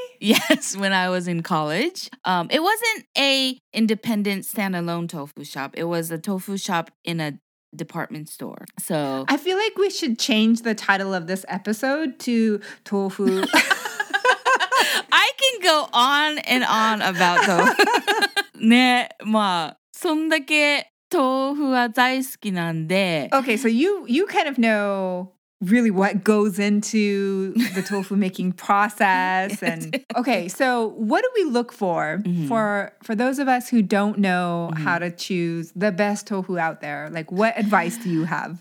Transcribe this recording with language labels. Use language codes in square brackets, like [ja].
[en] Yes, when I was in college. It wasn't a independent standalone tofu shop. It was a tofu shop in a department store. So I feel like we should change the title of this episode to tofu. I can go on and on about tofu. [ja] ね、まあ、そんだけ豆腐は大好きなんで。 [en] Okay, so you kind of know really what goes into the tofu making process. And okay, so what do we look for for those of us who don't know how to choose the best tofu out there? Like, what advice do you have?